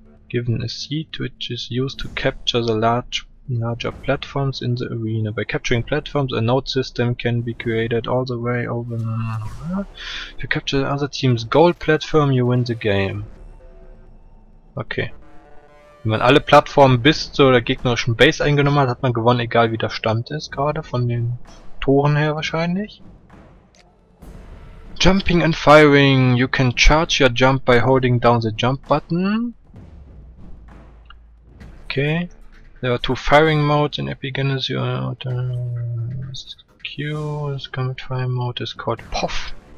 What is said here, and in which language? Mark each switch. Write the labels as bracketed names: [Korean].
[English] Given a seat which is used to capture the larger platforms in the arena. By capturing platforms, a node system can be created all the way over. If you capture the other team's gold platform, you win the game. Okay. [German] Wenn man alle Plattformen bis zur gegnerischen Base eingenommen hat, hat man gewonnen, egal wie der Stand ist, gerade von den Toren her wahrscheinlich. [English] Jumping and firing. You can charge your jump by holding down the jump button. Okay. There are two firing modes in Epigenesis. Q, this comet firing mode is called POF.